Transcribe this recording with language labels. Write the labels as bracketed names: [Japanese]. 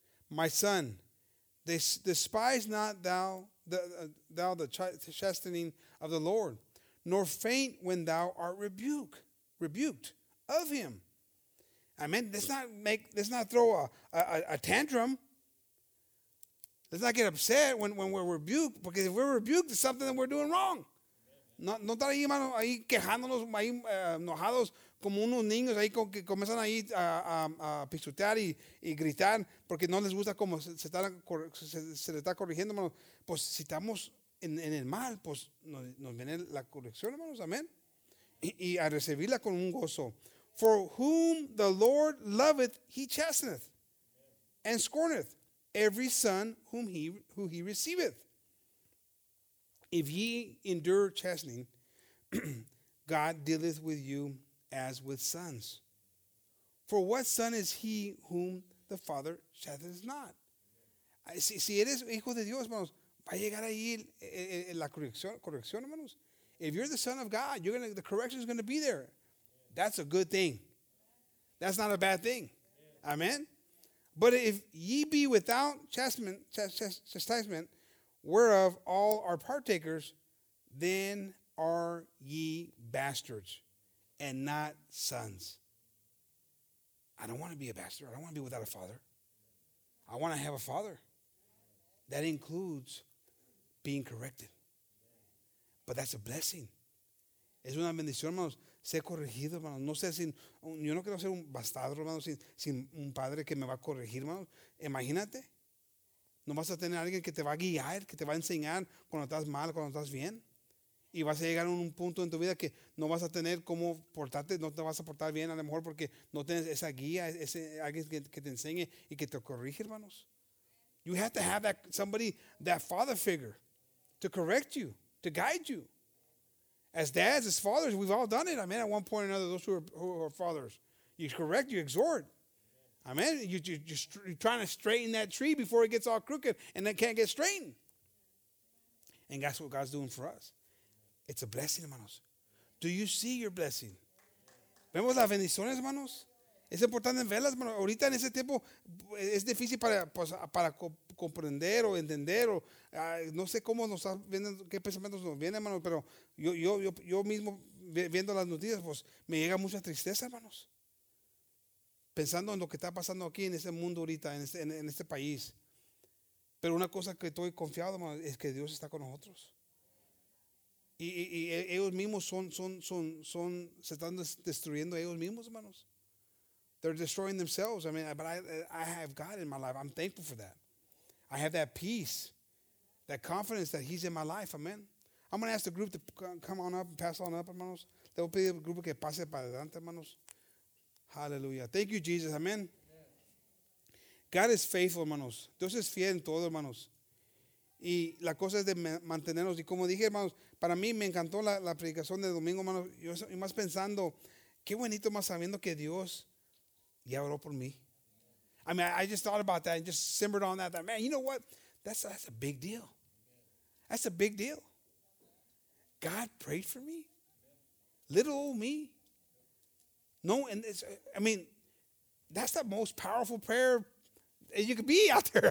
[English] My son, despise not thou the chastening of the Lord, nor faint when thou art rebuked of him. Amen. Let's not throw a tantrum. Let's not get upset when we're rebuked, because if we're rebuked, it's something that we're doing wrong. [Spanish] No están ahí, hermano, ahí quejándonos, ahí enojados como unos niños ahí que comienzan ahí a pisotear y gritar porque no les gusta cómo se le está corrigiendo, hermano. Pues si estamos en el mal, pues nos viene la corrección, hermanos, amén. Y a recibirla con un gozo. [English] For whom the Lord loveth, he chasteneth, and scorneth every son whom he receiveth. If ye endure chastening, God dealeth with you as with sons. For what son is he whom the father chasteneth not? [Spanish] Si eres hijo de Dios, hermanos, va a llegar ahí la corrección, hermanos. [English] If you're the son of God, the correction is going to be there. That's a good thing. That's not a bad thing. Amen? But if ye be without chastisement, whereof all are partakers, then are ye bastards and not sons. I don't want to be a bastard. I don't want to be without a father. I want to have a father. That includes being corrected. But that's a blessing. [Spanish] Es una bendición, hermanos. Ser corregido, hermanos. No sé si. Yo no quiero ser un bastardo, hermanos, sin un padre que me va a corregir, hermanos. Imagínate. No vas a tener alguien que te va a guiar, que te va a enseñar cuando estás mal, cuando estás bien. Y vas a llegar a un punto en tu vida que no vas a tener cómo portarte, no te vas a portar bien a lo mejor porque no tienes esa guía, ese alguien que te enseñe y que te corrige, hermanos. [English] You have to have that somebody, that father figure, to correct you, to guide you. As dads, as fathers, we've all done it. I mean, at one point or another, those who are fathers, you correct, you exhort. Amen. You're trying to straighten that tree before it gets all crooked and it can't get straightened. And that's what God's doing for us. It's a blessing, hermanos. Do you see your blessing? [Spanish] ¿Vemos las bendiciones, hermanos? Es importante verlas, hermanos. Ahorita en ese tiempo es difícil para comprender o entender o no sé cómo nos vienen, qué pensamientos nos vienen, hermanos, pero yo mismo viendo las noticias, pues me llega mucha tristeza, hermanos. Pensando en lo que está pasando aquí en este mundo ahorita, en este país. Pero una cosa que estoy confiado, hermano, es que Dios está con nosotros. Y ellos mismos son se están destruyendo ellos mismos, hermanos. [English] They're destroying themselves. I mean, but I have God in my life. I'm thankful for that. I have that peace, that confidence that He's in my life. Amen. I'm going to ask the group to come on up and pass on up, hermanos. [Spanish] Le voy a pedir al grupo que pase para adelante, hermanos. [English] Hallelujah. Thank you, Jesus. Amen. Yeah. God is faithful, hermanos. [Spanish] Dios es fiel en todo, hermanos. Y la cosa es de mantenernos. Y como dije, hermanos, para mí me encantó la predicación de domingo, hermanos. Yo más pensando, qué bonito más sabiendo que Dios ya oró por mí. [English] I mean, I just thought about that and just simmered on that. Man, you know what? That's a big deal. That's a big deal. God prayed for me. Little old me. No, and it's, I mean, that's the most powerful prayer you could be out there.